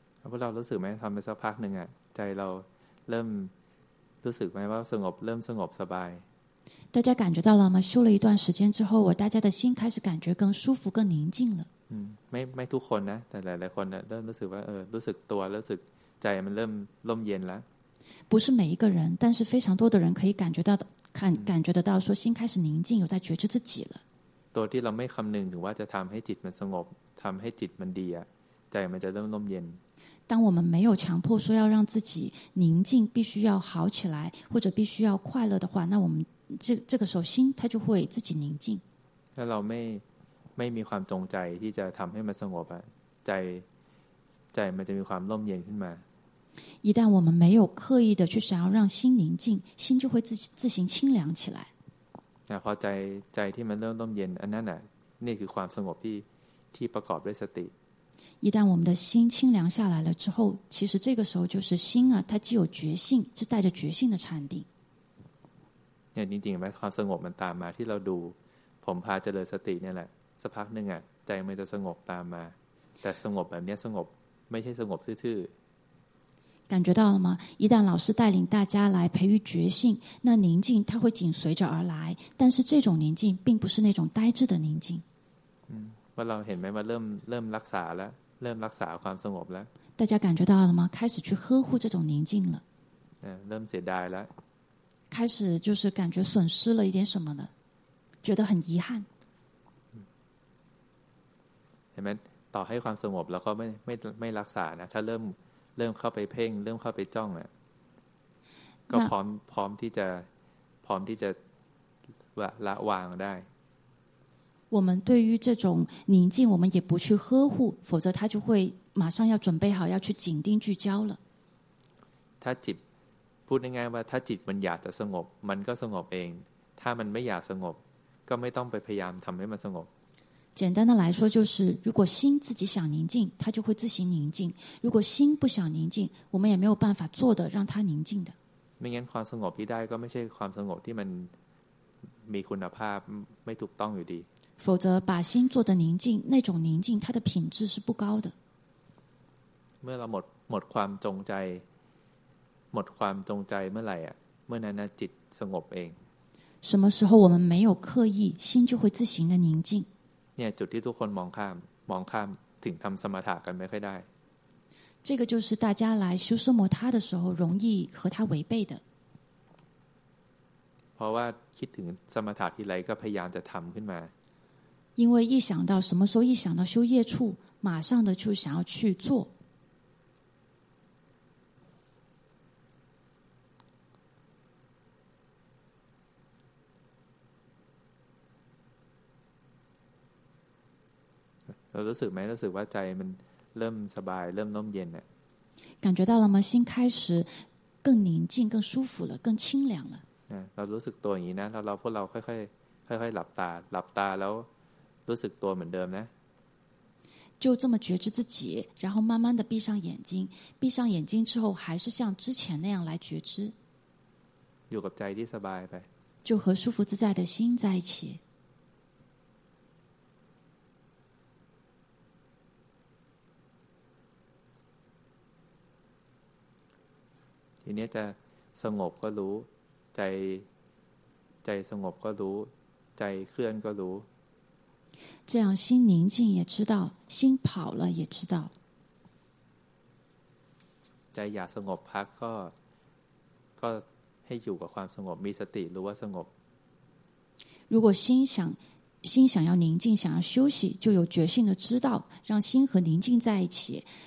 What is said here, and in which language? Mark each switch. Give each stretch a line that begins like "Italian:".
Thai: พวกเรารู้สึกไหมทำไปสักพักหนึ่งอ่ะใจเราเริ่มรู้สึกไหมว่าสงบเริ่มสงบสบาย
Chinese: 大家感觉到了吗？修了一段时间之后，我大家的心开始感觉更舒服、更宁静了。
Thai: 嗯，ไม่ทุกคนนะแต่หลายคนเนี่ยเริ่มรู้สึกว่าเออรู้สึกตัวรู้สึกใจมันเริ่มร่มเย็นแล้ว
Chinese: 不是每一个人，但是非常多的人可以感觉到感觉得到说心开始宁静，有在觉知自己了。
Thai: ตัวที่เราไม่คำนึงถึงว่าจะทำให้จิตมันสงบทำให้จิตมันดีอ่ะใจมันจะเริ่มร่มเย็น
Chinese: 当我们没有强迫说要让自己宁静，必须要好起来，或者必须要快乐的话，那我们这个时候心它就会自己宁静。那老妹，没有
Thai: ความจงใจที่จะทำให้มันสงบอ่ะใจมันจะมีความร่มเย็นขึ้นมา。
Chinese: 一旦我们没有刻意的去想要让心宁静，心就会自行清凉起来。
Thai: 那พอใจที่มันเริ่มร่มเย็นอันนั้นอ่ะนี่คือความสงบที่ประกอบด้วยสติ。
Chinese: 一旦我们的心清凉下来了之后，其实这个时候就是心啊，它既有觉性，是带着觉性的禅定。
Thai: เนี่ยจริงๆไหมความสงบมันตามมาที่เราดูผมพาเจริญสติเนี่ยแหละสักพักหนึ่งอ่ะใจมันจะสงบตามมาแต่สงบแบบนี้สงบไม่ใช่สงบทื่
Chinese: อๆ感觉到了吗？一旦老师带领大家来培育觉性，那宁静它会紧随着而来。但是这种宁静并不是那种呆滞的宁静。
Thai: ว่าเราเห็นไหมว่าเริ่มรักษาแล้วเริ่มรักษาความสงบแล้ว
Chinese: 大家感觉到了吗？开始去呵护这种宁静了。
Thai: เริ่มเสียดายแล้ว
Chinese: 开始就是感觉损失了一点什么的，觉得很遗憾。
Thai: เห็นไหมต่อให้ความสงบแล้วก็ไม่รักษานะถ้าเริ่มเข้าไปเพ่งเริ่มเข้าไปจ้องอ่ะก็พร้อมที่จะละวางได้
Chinese: 我们对于这种宁静，我们也不去呵护，否则他就会马上要准备好要去紧盯聚焦了。
Thai: ถ้าจิตพูดง่ายๆว่าถ้าจิตมันอยากจะสงบมันก็สงบเองถ้ามันไม่อยากสงบก็ไม่ต้องไปพยายามทำให้มันสงบ
Chinese: 简单的来说就是如果心自己想宁静它就会自行宁静如果心不想宁静我们也没有办法做的让它宁静的
Thai: ไม่งั้นความสงบที่ได้ก็ไม่ใช่ความสงบที่มันมีคุณภาพไม่ถูกต้องอยู่ดี
Chinese: 否则把心做的宁静那种宁静它的品质是不高的
Thai: เมื่อเราหมดความจงใจหมดความจงใจเมื่อไหร่อ่ะเมื่อนั้นจิตสงบเอง
Chinese: 什么时候我们没有刻意心就会自行的宁静
Thai: เนี่ยจุดที่ทุกคนมองข้ามถึงทำสมถะกันไม่ค่อยได้
Chinese: 这个就是大家来修奢摩他的时候容易和他违背的
Thai: เพราะว่าคิดถึงสมถะที่ไรก็พยายามจะทำขึ้นมา
Chinese: 因为一想到什么时候一想到修业处马上的就想要去做
Thai: เรารู้สึกไหมรู้สึกว่าใจมันเริ่มสบายเริ่มน่มเย็นเนี่ย
Chinese: 感觉到了吗心开始更宁静更舒服了更清凉了
Thai: เรารู้สึกตัวอย่างนี้นะเราพวกเราค่อยๆหลับตาแล้วรู้สึกตัวเหมือนเดิมนะ
Chinese: 就这么觉知自己然后慢慢的闭上眼睛之后还是像之前那样来觉知
Thai: อยู่กับใจที่สบายไป
Chinese: 就和舒服自在的心在一起
Thai: ทีนี้จะสงบก็รู้ใจสงบก็รู้ใจเคลื่อนก็รู้
Chinese: 这样心宁静也知道心跑了也知道
Thai: ใจอยากสงบพักก็ให้อยู่กับความสงบมีสติรู้ว่าสงบ
Chinese: 如果心想要宁静想要休息就有觉性的知道让心和宁静在一起